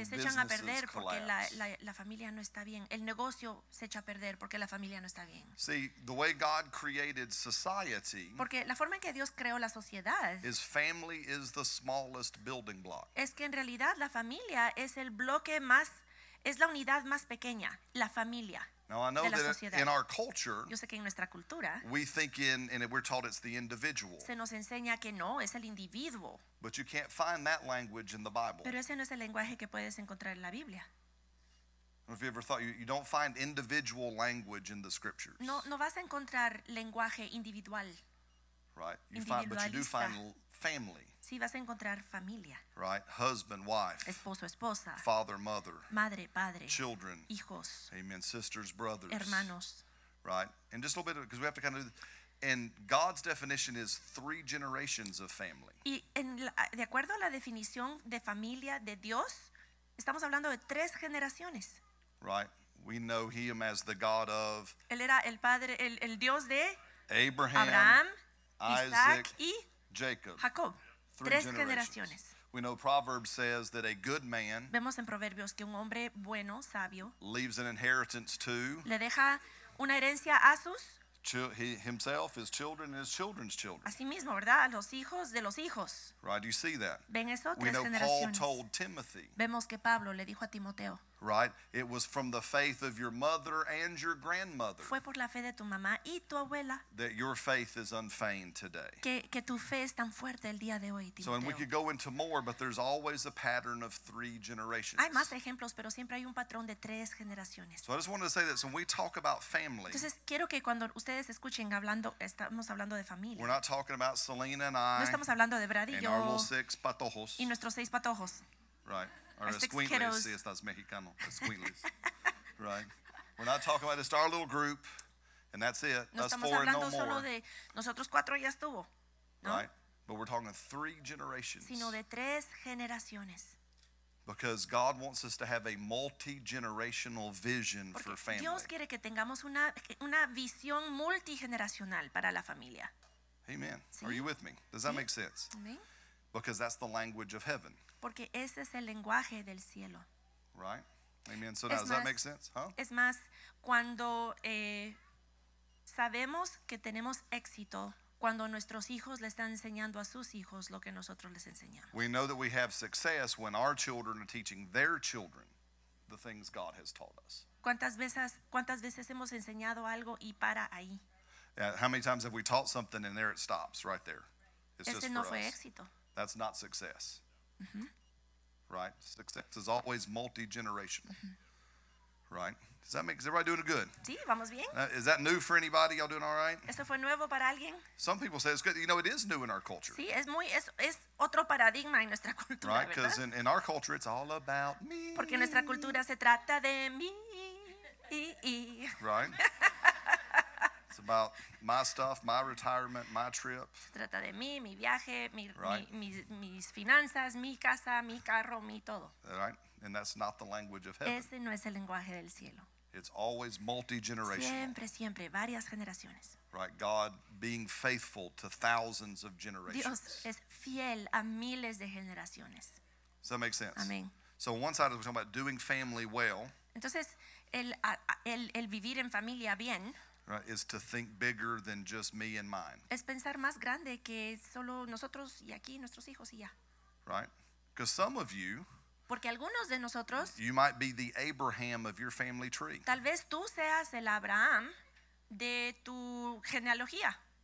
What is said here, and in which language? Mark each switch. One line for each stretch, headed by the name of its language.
Spanish: echan a perder porque la familia no está bien. El negocio se echa a perder porque la familia no está bien.
English: See, the way God created society,
Spanish: porque la forma en que Dios creó la sociedad,
English: is family is the smallest building block.
Spanish: Es que en realidad la familia es el bloque más, es la unidad más pequeña, la familia.
English: Now I know that in our culture,
Spanish: yo sé que en nuestra cultura,
English: we think in, and we're taught it's the individual.
Spanish: Se nos enseña que no, es el individuo.
English: But you can't find that language in the Bible.
Spanish: Pero ese no es el lenguaje que puedes encontrar en la Biblia.
English: Have you ever thought you don't find individual language in the scriptures?
Spanish: No vas a encontrar lenguaje individual.
English: Right. You find, but you do find family.
Spanish: Sí, vas a encontrar familia.
English: Right. Husband, wife.
Spanish: Esposo, esposa.
English: Father, mother.
Spanish: Madre, padre.
English: Children.
Spanish: Hijos.
English: Amen. Sisters, brothers.
Spanish: Hermanos.
English: Right. And just a little bit, because we have to kind of, and God's definition is three generations of family.
Spanish: Y de acuerdo a la definición de familia de Dios, estamos hablando de tres generaciones.
English: Right. We know him as the God of.
Spanish: Él era el padre, el Dios de.
English: Abraham.
Spanish: Isaac. Y.
English: Jacob.
Spanish: Jacob.
English: Three
Spanish: tres generaciones.
English: We know Proverbs says that a good man
Spanish: vemos en Proverbios que un hombre bueno, sabio
English: leaves an inheritance to
Spanish: le deja una herencia a sus
English: himself, his children, and his children's children.
Spanish: A sí mismo, ¿verdad? A los hijos de los hijos.
English: Right, do you see that?
Spanish: ¿Ven eso?
English: We know Paul told Timothy
Spanish: vemos que Pablo le dijo a Timoteo
English: right, it was from the faith of your mother and your grandmother
Spanish: fue por la fe de tu mamá y tu abuela
English: that your faith is unfeigned today.
Spanish: Que tu fe es tan fuerte el día de hoy, Timoteo.
English: So, and we could go into more, but there's always a pattern of three generations.
Spanish: Hay más ejemplos, pero siempre hay un patrón de tres generaciones.
English: So I just wanted to say that when we talk about family,
Spanish: entonces quiero que cuando ustedes escuchen hablando, estamos hablando de familia.
English: We're not talking about Selena and I
Spanish: no estamos hablando de Brad y
English: and
Spanish: yo,
English: our little six patojos.
Spanish: Y nuestros seis patojos.
English: Right. Or squintles,
Spanish: si estás mexicano,
English: squintles, right? We're not talking about just our little group, and that's it.
Spanish: No
English: us four and no
Spanish: solo
English: more.
Spanish: De nosotros cuatro ya estuvo, ¿no?
English: Right? But we're talking three generations.
Spanish: Sino de tres generaciones.
English: Because God wants us to have a multi-generational vision
Spanish: porque
English: for family.
Spanish: Dios quiere que tengamos una visión multigeneracional para la familia.
English: Amen.
Spanish: ¿Sí?
English: Are you with me? Does that
Spanish: ¿sí?
English: make sense? Amen. Because that's the language of heaven.
Spanish: Porque ese es el lenguaje del cielo.
English: Right. Amen. So now, does that make sense? Huh?
Spanish: Es más, cuando sabemos que tenemos éxito, cuando nuestros hijos le están enseñando a sus hijos lo que nosotros les enseñamos.
English: We know that we have success when our children are teaching their children the things God has taught us.
Spanish: ¿Cuántas veces hemos enseñado algo y para ahí?
English: How many times have we taught something and there it stops right there? It's ese just no fue us. Éxito. That's not success. Mm-hmm. Right, success is always multi-generational. Mm-hmm. Right, does that make? Is everybody doing good?
Spanish: Sí, vamos bien.
English: Is that new for anybody? Y'all doing all right?
Spanish: Eso fue nuevo para alguien.
English: Some people say it's good. You know, it is new in our culture.
Spanish: Sí, es otro paradigma en nuestra cultura.
English: Right, because in our culture it's all about me.
Spanish: Porque nuestra cultura se trata de mí.
English: Right. It's about my stuff, my retirement, my trip.
Spanish: Se trata de mí, mi viaje, mis finanzas, mi casa, mi carro, mi todo.
English: Right? And that's not the language of heaven.
Spanish: Ese no es el lenguaje del cielo.
English: It's always multi-generational.
Spanish: Siempre, siempre, varias generaciones.
English: Right? God being faithful to thousands of generations.
Spanish: Dios es fiel a miles de generaciones.
English: Does that make sense?
Spanish: Amén.
English: So on one side, we're talking about doing family well.
Spanish: Entonces, el vivir en familia bien.
English: Right, is to think bigger than just me and mine.
Spanish: Es pensar más grande que solo nosotros y aquí nuestros hijos y ya.
English: Right? Because some of you,
Spanish: porque algunos de nosotros,
English: you might be the Abraham of your family tree.
Spanish: Tal vez tú seas el Abraham de tu genealogía.